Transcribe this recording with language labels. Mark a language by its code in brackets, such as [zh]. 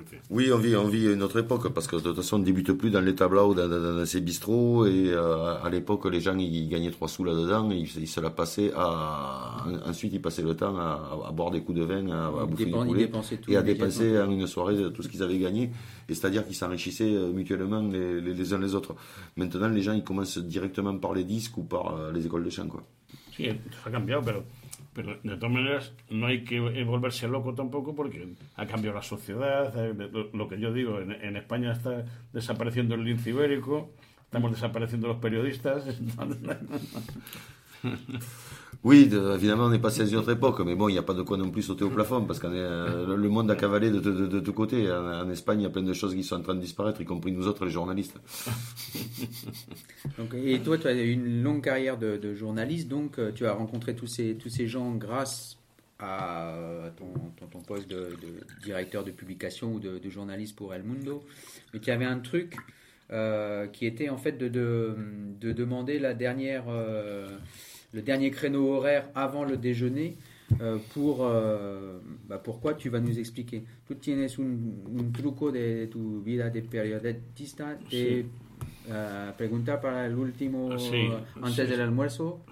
[fr] Oui, on vit une autre époque, parce que de toute façon on débute plus dans les tablas ou dans ces bistrots, et à l'époque les gens ils gagnaient 3 sous là-dedans et ils se la passaient ensuite ils passaient le temps à boire des coups de vin, à bouffer du poulet et à dépenser en une soirée tout ce qu'ils avaient gagné, et c'est-à-dire qu'ils s'enrichissaient mutuellement les uns les autres. Maintenant les gens ils commencent directement par les disques ou par les écoles de chant, quoi. [es] Sí, ça a cambiado, pero de todas maneras no hay que volverse loco tampoco, porque ha cambiado la sociedad. Lo que yo digo, en España está desapareciendo el lince ibérico, estamos desapareciendo los periodistas. [fr] Oui, évidemment, on est passé à une autre époque, mais bon, il n'y a pas de quoi non plus sauter au plafond, parce que le monde a cavalé de tous côtés. En Espagne, il y a plein de choses qui sont en train de disparaître, y compris nous autres, les journalistes. Donc, et toi, tu as eu une longue carrière de journaliste, donc tu as rencontré tous ces gens grâce à ton poste de directeur de publication ou de journaliste pour El Mundo. Mais tu avais un truc qui était en fait de demander la dernière... le dernier créneau horaire avant le déjeuner, pourquoi tu vas nous expliquer. [es] Tu tienes un truco de tu vida de periodista, de preguntar para el último antes del almuerzo.